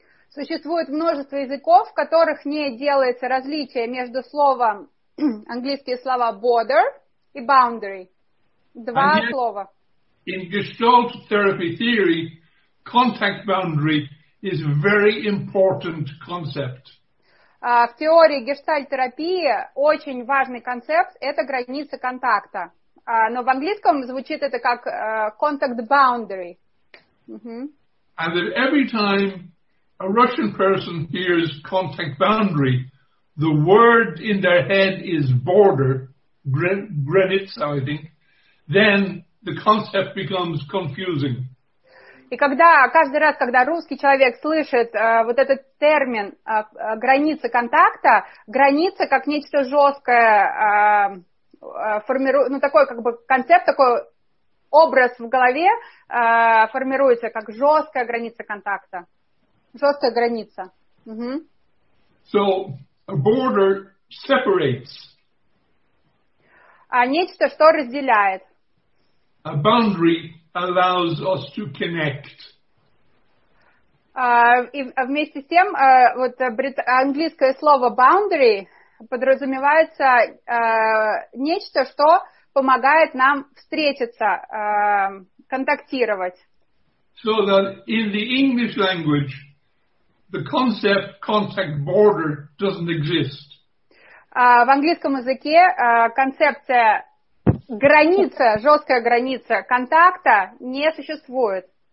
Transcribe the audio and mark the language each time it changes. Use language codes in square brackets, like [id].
[ru] Существует множество языков, в которых не делается различие между словом, английские слова border и boundary. Два слова. [en] In Gestalt therapy theory, contact boundary is a very important concept. [ru] В теории гештальт-терапии очень важный концепт – это граница контакта. Но в английском звучит это как contact boundary. [en] Uh-huh. And that every time a Russian person hears contact boundary, the word in their head is border, granica, I think, then the concept becomes confusing. [ru] И когда каждый раз, когда русский человек слышит вот этот термин граница контакта, граница как нечто жесткое формирует, ну такой как бы концепт, такой образ в голове формируется как жесткая граница контакта, жесткая граница. [en] Угу. So a border separates. [ru] А нечто, что разделяет. [en] A boundary allows us to connect. [ru] И вместе с тем, вот английское слово boundary подразумевается нечто, что помогает нам встретиться, контактировать. [en] So that in the English language, the concept contact border doesn't exist. [ru] В английском языке концепция граница, жесткая граница контакта не существует.